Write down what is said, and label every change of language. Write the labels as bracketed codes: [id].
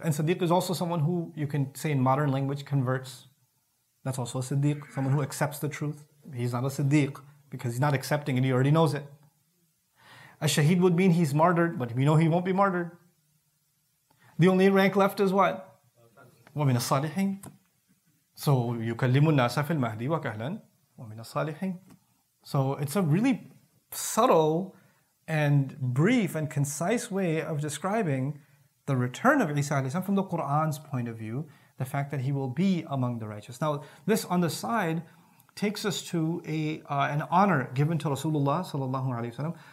[en] And siddiq is also someone who, you can say in modern language, converts. That's also a siddiq, someone who accepts the truth. He's not a siddiq because he's not accepting it, he already knows it. A-shaheed would mean he's martyred, but we know he won't be martyred. The only rank left is what? [ar] ومن الصالحين. So يكلم الناس في المهدي وكهلا ومن الصالحين. [en] So it's a really subtle and brief and concise way of describing the return of Isa alayhi salam from the Quran's point of view, the fact that he will be among the righteous. Now this on the side takes us to an honor given to Rasulullah sallallahu alayhi wasallam.